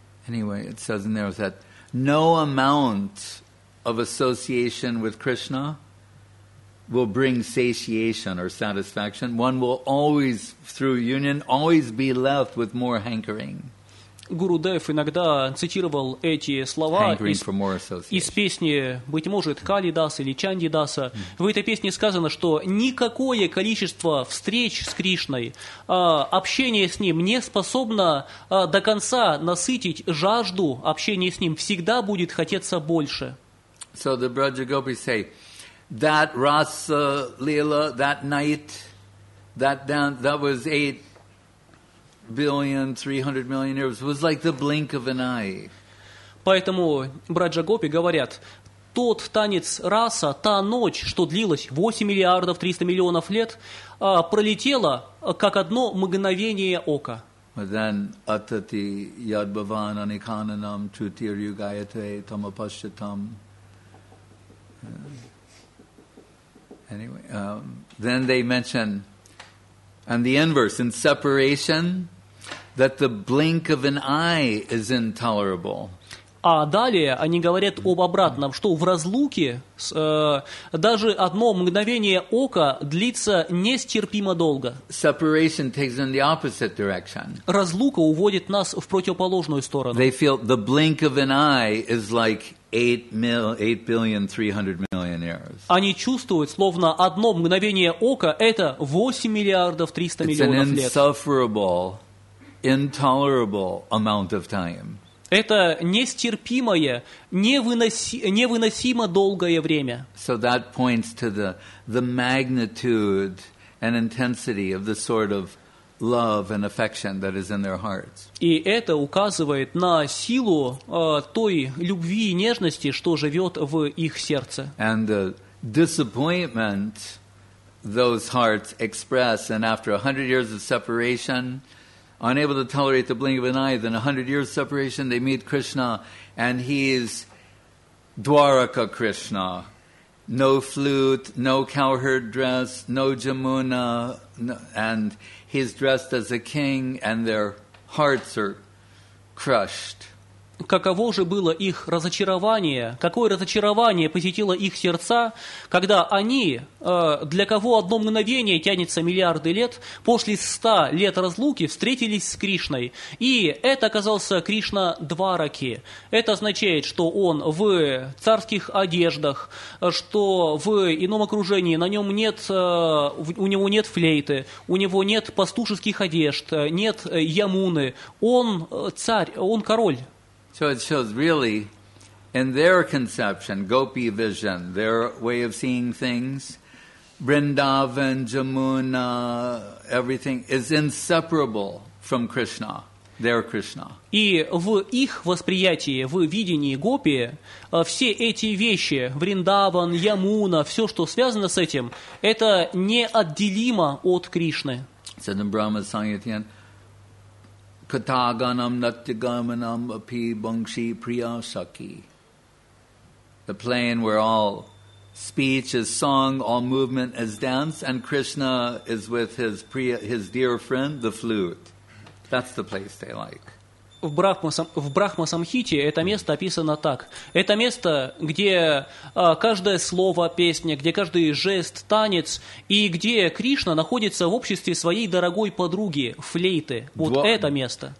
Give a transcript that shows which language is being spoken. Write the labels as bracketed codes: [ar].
[en] anyway, it says in there that no amount of association with Krishna will bring satiation or satisfaction. One will always, through union, always be left with more hankering. [ru] Гуру Дев иногда цитировал эти слова из песни, быть может, Кали Даса или Чанди Даса. В этой песне сказано, что никакое количество встреч с Кришной, общение с Ним не способно до конца насытить жажду общения с Ним. Всегда будет хотеться больше. [en] So the Braja Gopis say, that Rasa Lila, that night, that was 8 billion 300 million years was like the blink of an eye. [ru] Поэтому Браджа Гопи говорят, тот танец раса, та ночь, что длилась 8 миллиардов 300 миллионов лет, пролетела как одно мгновение ока. [sa] Then atati yadbhavan anikananam trutir yugayate tamapashyatam. [en] Then they mention, and the inverse in separation. That the blink of an eye is intolerable. [ru] А далее они говорят об обратном, что в разлуке даже одно мгновение ока длится нестерпимо долго. [en] Separation takes in the opposite direction. [ru] Разлука уводит нас в противоположную сторону. [en] They feel the blink of an eye is like 8 billion 300 million years. [ru] Они чувствуют, словно одно мгновение ока это 8 миллиардов 300 миллионов лет. [en] It's an insufferable. Intolerable amount of time. [ru] Это нестерпимое, невыносимо долгое время. [en] So that points to the magnitude and intensity of the sort of love and affection that is in their hearts. [ru] И это указывает на силу той любви и нежности, что живет в их сердце. [en] And the disappointment those hearts express, and after 100 years of separation. Unable to tolerate the blink of an eye, then 100 years separation, they meet Krishna, and he is Dwaraka Krishna. No flute, no cowherd dress, no Jamuna, and he's dressed as a king, and their hearts are crushed. [ru] Каково же было их разочарование, какое разочарование посетило их сердца, когда они, для кого одно мгновение тянется миллиарды лет, после 100 лет разлуки встретились с Кришной. И это оказался Кришна Двараки. Это означает, что он в царских одеждах, что в ином окружении, на нем нет, у него нет флейты, у него нет пастушеских одежд, нет ямуны. Он царь, он король. [en] So it shows really, in their conception, gopi vision, their way of seeing things, Vrindavan, Jamuna, everything is inseparable from Krishna, their Krishna. [ru] И в их восприятии, в видении гопи, все эти вещи, Вриндаван, Ямуна, все, что связано с этим, это неотделимо от Кришны. [en] Said in [sa] Brahma Sangyatian, Kataganam natyagamanam api bangshi priyasaki. [en] The plane where all speech is song, all movement is dance, and Krishna is with his dear friend, the flute. That's the place they like. [ru] В Брахма-самхите это место описано так. Это место, где каждое слово песня, где каждый жест, танец, и где Кришна находится в обществе своей дорогой подруги, флейты. Вот это место.